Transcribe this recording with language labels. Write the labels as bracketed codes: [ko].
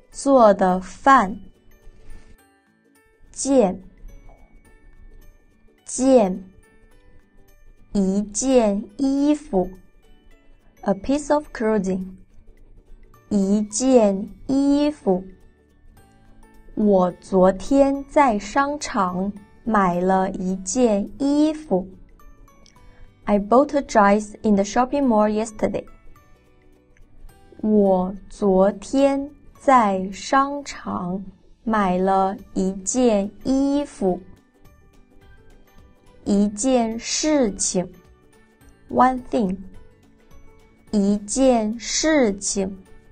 [zh] 做的饭。件，件，一件衣服。 [en] A piece of clothing. [zh] 一件衣服。我昨天在商场买了一件衣服。 [en] I bought a dress in the shopping mall yesterday. [zh] 我昨天在商场买了一件衣服。一件事情。 [en] One thing. [zh] 一件事情。